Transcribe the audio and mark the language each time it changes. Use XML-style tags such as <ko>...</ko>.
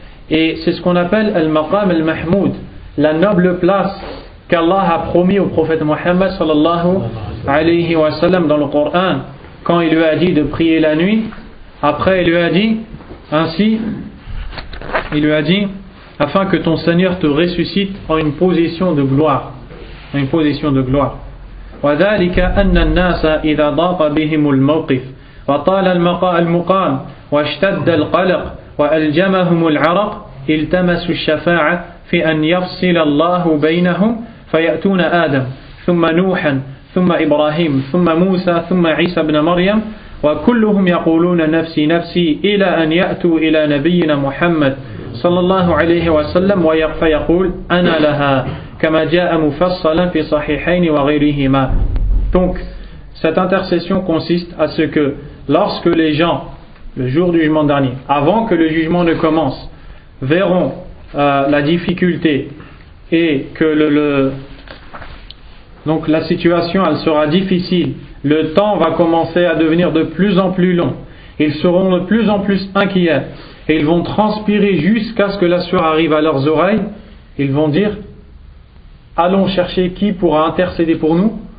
<fr>Et c'est ce qu'on appelle al-Maqam al-Mahmoud. La noble place qu'Allah a promis au prophète Muhammad sallallahu alayhi wa sallam dans le Coran. Quand il lui a dit de prier la nuit. Après il lui a dit ainsi. Il lui a dit afin que ton Seigneur te ressuscite en une position de gloire. En une position de gloire.</fr> <ar>وذلك أن الناس إذا ضاق بهم الموقف وطال المقام واشتد القلق وألجمهم العرق التمسوا الشفاعة في أن يفصل الله بينهم فيأتون آدم ثم نوحا ثم إبراهيم ثم موسى ثم عيسى بن مريم وكلهم يقولون نفسي نفسي إلى أن يأتوا إلى نبينا محمد صلى الله عليه وسلم فيقول أنا لها كما جاء مفصلا في صحيحين وغيرهما.</ar> <fr>Donc cette intercession consiste à ce que lorsque les gens le jour du jugement dernier, avant que le jugement ne commence, verront la difficulté et que donc la situation elle sera difficile, le temps va commencer à devenir de plus en plus long, ils seront de plus en plus inquiets et ils vont transpirer jusqu'à ce que la sueur arrive à leurs oreilles, ils vont dire allons chercher qui pourra intercéder pour nous,</fr>